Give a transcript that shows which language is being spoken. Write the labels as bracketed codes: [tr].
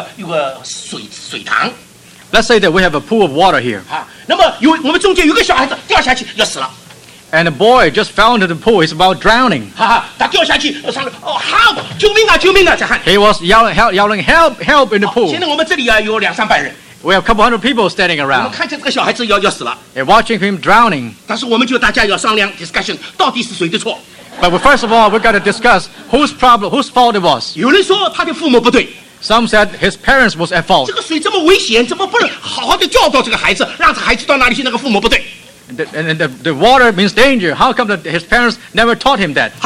[zh] 嘉宾说我们这个地方有个水塘。 [en] Let's say that we have a pool of water here. [zh] 那么我们中间有个小孩子掉下去要死了。 [en] And a boy just fell into the pool. He's about drowning. [zh] 他掉下去，上来，哦， [en] help！ [zh] 救命啊，救命啊！这喊。 [en] He was yelling, help, help in the pool. [zh] 现在我们这里啊有两三百人。 [en] We have a couple hundred people standing around. [zh] 我们看见这个小孩子要死了。 [en] And watching him drowning. [zh] 但是我们就大家要商量 discussion 到底是谁的错。 [en] But first of all, we've got to discuss whose problem, whose fault it was. [zh] 有人说他的父母不对。 [en] Some said his parents was at fault. [zh] 这个水这么危险，怎么不能好好的教导这个孩子，让这孩子到哪里去？那个父母不对。 [en] And the water means danger. How come that his parents never taught him that?